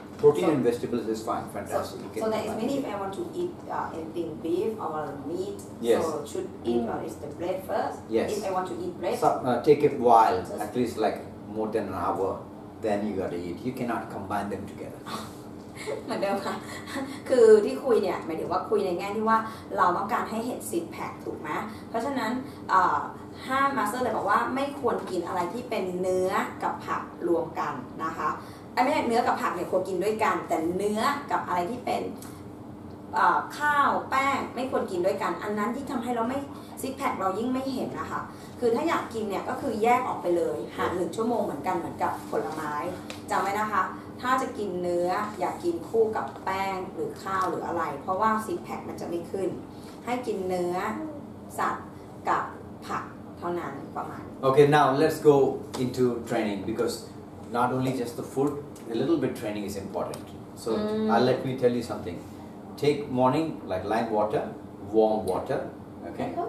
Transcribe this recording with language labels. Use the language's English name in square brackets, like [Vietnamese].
[English] Protein and vegetables is fine, fantastic. So that is mainly if I want to eat anything, beef or meat. Yes. So should eat or is the bread first? Yes. If I want to eat bread, take it while at least like more than an hour, then you gotta eat. You cannot combine them together. [Thai] เหมือนเดิมค่ะคือที่คุยเนี่ยหมายถึงว่าคุยในแง่ที่ว่าเราต้องการให้เห็นซิกแพคถูกไหมเพราะฉะนั้นห้ามาสเตอร์เลยบอกว่าไม่ควรกินอะไรที่เป็นเนื้อกับผักรวมกันนะคะไม่ใช่เนื้อกับผักเนี่ยควรกินด้วยกันแต่เนื้อกับอะไรที่เป็น ข้าวแป้งไม่ควรกินด้วยกันอันนั้นที่ทำให้เราไม่ซิกแพคเรายิ่งไม่เห็นนะคะคือถ้าอยากกินเนี่ยก็คือแยกออกไปเลยห่างหนึ่งชั่วโมงเหมือนกันเหมือนกับผลไม้จำไว้นะคะถ้าจะกินเนื้ออย่า กินคู่กับแป้งหรือข้าวหรืออะไรเพราะว่าซิกแพคมันจะไม่ขึ้นให้กินเนื้อสัตว์กับผักเท่านั้นประมาณ [English] Okay now let's go into training because not only just the food a little bit training is important so I'll let me tell you something take morning like lime water warm water okay